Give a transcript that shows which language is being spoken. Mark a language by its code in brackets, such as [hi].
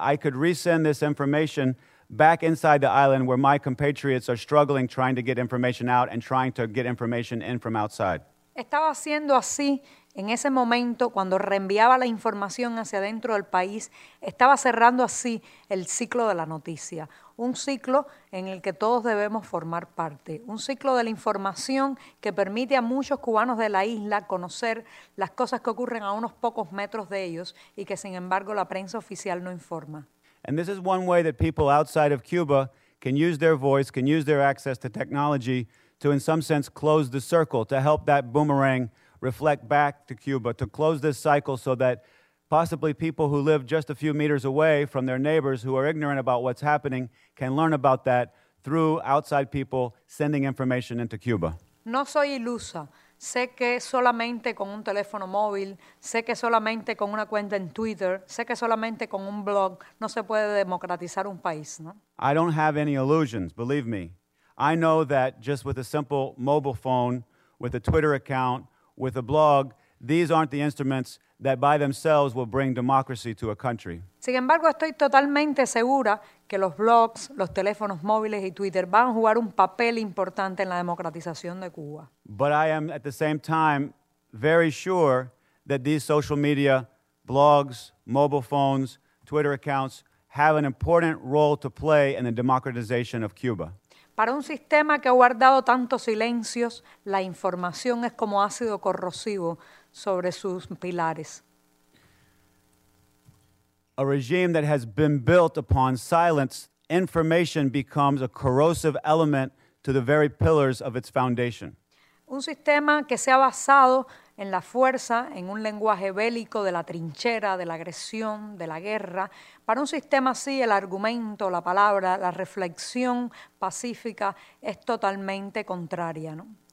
[en] I could resend this information back inside the island where my compatriots are struggling, trying to get information out and trying to get information in from outside. [es] Estaba haciendo así en ese momento cuando reenviaba la información hacia dentro del país. Estaba cerrando así el ciclo de la noticia. Un ciclo en el que todos debemos formar parte. Un ciclo de la información que permite a muchos cubanos de la isla conocer las cosas que ocurren a unos pocos metros de ellos y que, sin embargo, la prensa oficial no informa. [en] And this is one way that people outside of Cuba can use their voice, can use their access to technology to, in some sense, close the circle, to help that boomerang reflect back to Cuba, to close this cycle so that possibly people who live just a few meters away from their neighbors who are ignorant about what's happening can learn about that through outside people sending information into Cuba. [es] No soy ilusa. Sé que solamente con un teléfono móvil, sé que solamente con una cuenta en Twitter, sé que solamente con un blog no se puede democratizar un país, ¿no? [en] I don't have any illusions, believe me. I know that just with a simple mobile phone, with a Twitter account, with a blog, these aren't the instruments that by themselves will bring democracy to a country. [es] Sin embargo, estoy totalmente segura que los blogs, los teléfonos móviles y Twitter van a jugar un papel importante en la democratización de Cuba. [en] But I am at the same time very sure that these social media, blogs, mobile phones, Twitter accounts have an important role to play in the democratization of Cuba. [es] Para un sistema que ha guardado tantos silencios, la información es como ácido corrosivo sobre sus pilares. [en] A regime that has been built upon silence, information becomes a corrosive element to the very pillars of its foundation. [es] Un sistema que se ha basado en la fuerza, en un lenguaje bélico de la trinchera, de la agresión, de la guerra. Para un sistema así, el argumento, la palabra, la reflexión pacífica es totalmente contraria, ¿no?